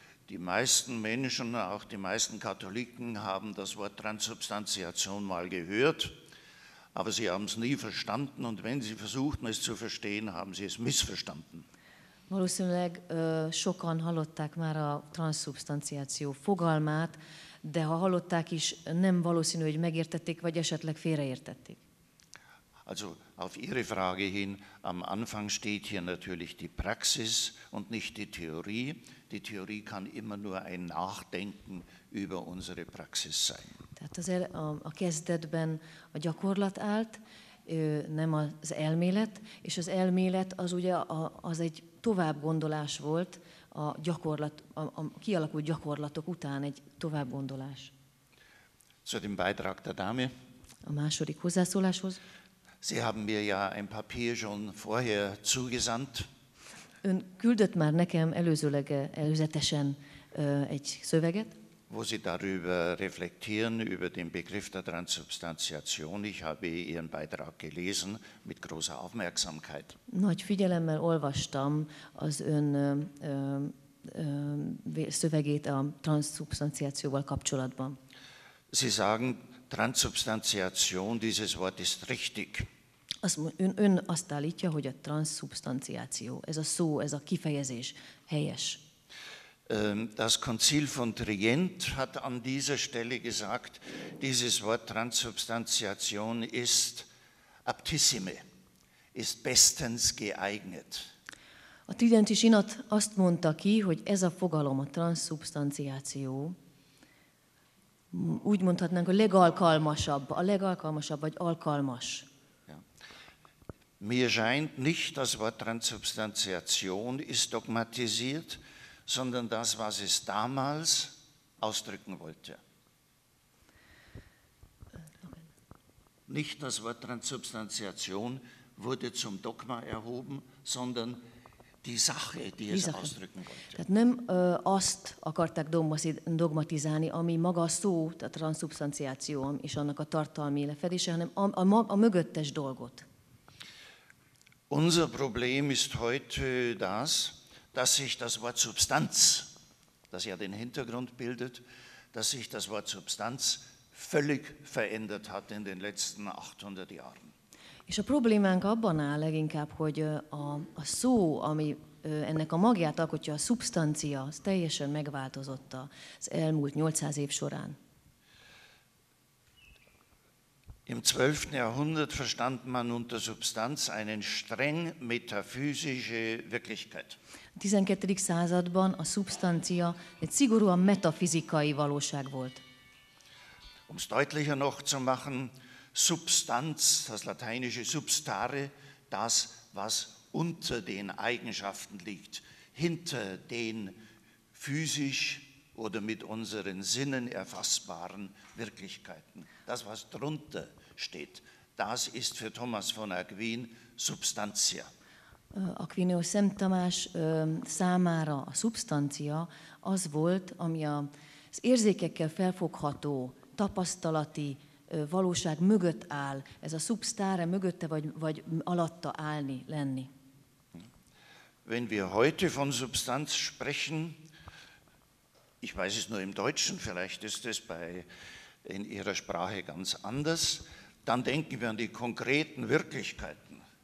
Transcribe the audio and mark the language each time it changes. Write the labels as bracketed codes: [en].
[de] Die meisten Menschen, auch die meisten Katholiken, haben das Wort Transsubstantiation mal gehört, aber sie haben es nie verstanden und wenn sie versuchten es zu verstehen, haben sie es missverstanden. [hu] Valószínűleg sokan hallották már a transzubstanciáció fogalmát, de ha hallották is, nem valószínű, hogy megértették, vagy esetleg félreértették. [de] Also auf Ihre Frage hin, am Anfang steht hier natürlich die Praxis und nicht die Theorie. Die Theorie kann immer nur ein Nachdenken über unsere Praxis sein. [hu] Tehát a kezdetben a gyakorlat állt, nem az elmélet, és az elmélet az ugye az egy tovább gondolás volt a gyakorlat, a kialakult gyakorlatok után egy tovább gondolás. [de] Zu dem Beitrag der Dame. [hu] A második hozzászóláshoz. [de] Sie haben mir ja ein Papier schon vorher zugesandt. [hu] Ön küldött már nekem előzőleg előzetesen egy szöveget. [de] Wo Sie darüber reflektieren, über den Begriff der Transsubstantiation. Ich habe Ihren Beitrag gelesen mit großer Aufmerksamkeit. [hu] Nagy figyelemmel olvastam az ön szövegét a transzubstanciációval kapcsolatban. [de] Sie sagen, Transsubstantiation, dieses Wort ist richtig. [hu] Ön azt állítja, hogy a transzubstanciáció, ez a szó, ez a kifejezés helyes. [de] Das Konzil von Trient hat an dieser Stelle gesagt, dieses Wort Transsubstantiation ist aptissime, ist bestens geeignet. [hu] A Tridenti Sinat azt mondta ki, hogy ez a fogalom, a transzubstanciáció, úgy mondhatnánk, hogy a legalkalmasabb vagy alkalmas. [de] Mir scheint nicht, das Wort Transsubstantiation ist dogmatisiert, sondern das, was es damals ausdrücken wollte. Nicht das Wort Transsubstantiation wurde zum Dogma erhoben, sondern die Sache, die es ausdrücken wollte. [hu] Tehát nem azt akarták dogmatizálni, ami maga a szó, a transzubstanciáció és annak a tartalmi lefedése, hanem a mögöttes dolgot. [de] Unser Problem ist heute das, dass sich das Wort Substanz, das ja den Hintergrund bildet, dass sich das Wort Substanz völlig verändert hat in den letzten 800 Jahren. [hu] És a problémánk abban áll leginkább, hogy a szó, ami ennek a magját alkotja, a szubstancia, az teljesen megváltozott az elmúlt 800 év során. [de] Im 12. Jahrhundert verstand man unter Substanz eine streng metaphysische Wirklichkeit. [hu] 12. Században a szubstancia egy szigorúan metafizikai valóság volt. [de] Um es deutlicher noch zu machen, Substanz, das lateinische substare, das, was unter den Eigenschaften liegt, hinter den physisch oder mit unseren Sinnen erfassbaren Wirklichkeiten. Das, was drunter steht. Das ist für Thomas von Aquin Substantia. [hu] Aquinius Szent Tamás számára a substancia az volt, ami az érzékekkel felfogható tapasztalati valóság mögött áll. Ez a substare mögötte vagy alatta állni, lenni. [de] Wenn wir heute von Substanz sprechen, ich weiß es nur im Deutschen, vielleicht ist es in Ihrer Sprache ganz anders, dann denken wir an die konkreten Wirklichkeiten.